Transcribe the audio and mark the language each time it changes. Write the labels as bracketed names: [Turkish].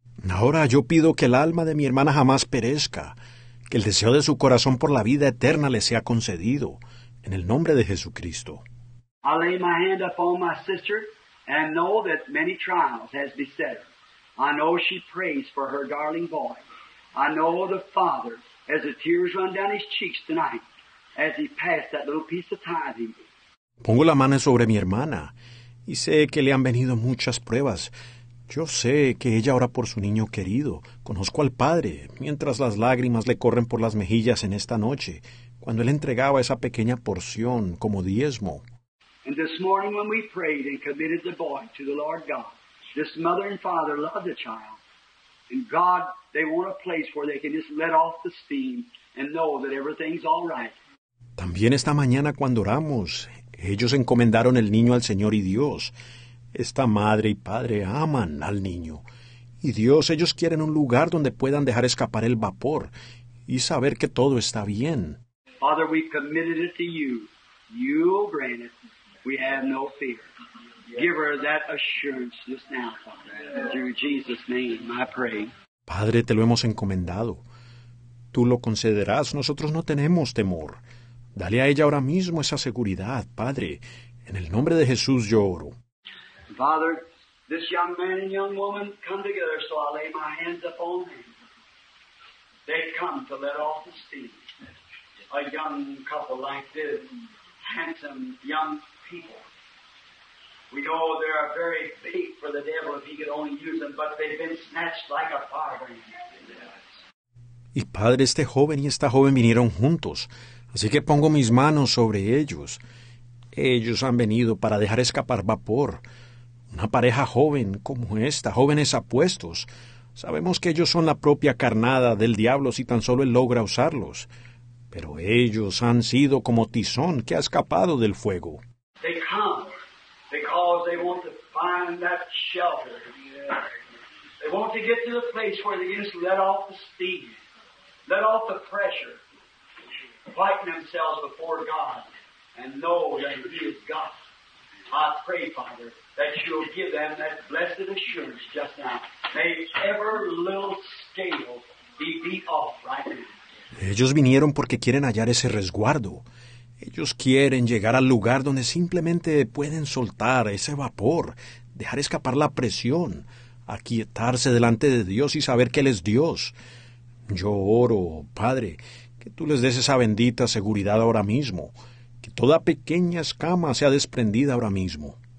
[Spanish] Ahora yo pido que el alma de mi hermana jamás perezca, que el deseo de su corazón por la vida eterna le sea concedido, en el nombre de Jesucristo. [English] I lay my hand upon my sister, and know that many trials has beset her. I know she prays for her darling boy. I know the father, as the tears run down his cheeks tonight, as he passed that little piece of tithing. [Spanish] Pongo la mano sobre mi hermana, y sé que le han venido muchas pruebas. Yo sé que ella ora por su niño querido. Conozco al padre, mientras las lágrimas le corren por las mejillas en esta noche, cuando él entregaba esa pequeña porción como diezmo. [English] And this morning when we prayed and committed the boy to the Lord God, this mother and father loved the child. And God, they want a place where they can just let off the steam and know that everything's all right. [Spanish] También esta mañana cuando oramos, ellos encomendaron el niño al Señor y Dios. Esta madre y padre aman al niño. Y Dios, ellos quieren un lugar donde puedan dejar escapar el vapor y saber que todo está bien. [English] Father, we've committed it to you. You'll grant it. We have no fear. Give her that assurance just now, Father. Through Jesus' name, I pray. [Spanish] Padre, te lo hemos encomendado. Tú lo concederás. Nosotros no tenemos temor. Dale a ella ahora mismo esa seguridad, Padre. En el nombre de Jesús yo oro. [English] Father, this young man and young woman come together, so I lay my hands upon them. They come to let off the steam. A young couple like this, handsome young people. We know they are very big for the devil if he could only use them, but they've been snatched like a firebrand. [Spanish] Y Padre, este joven y esta joven vinieron juntos. Así que pongo mis manos sobre ellos. Ellos han venido para dejar escapar vapor. Una pareja joven como esta, jóvenes apuestos. Sabemos que ellos son la propia carnada del diablo si tan solo él logra usarlos. Pero ellos han sido como tizón que ha escapado del fuego. [English] They come because they want to find that shelter. They want to get to the place where they just let off the steam, let off the pressure, fighting themselves before God and know that He is God. I pray, Father, that you'll give them that blessed assurance just now. May every little scale be beat off right now. [Spanish] Ellos vinieron porque quieren hallar ese resguardo. Ellos quieren llegar al lugar donde simplemente pueden soltar ese vapor, dejar escapar la presión, aquietarse delante de Dios y saber que Él es Dios. Yo oro, Padre, que tú les des esa bendita seguridad ahora mismo, que toda pequeña escama sea desprendida ahora mismo.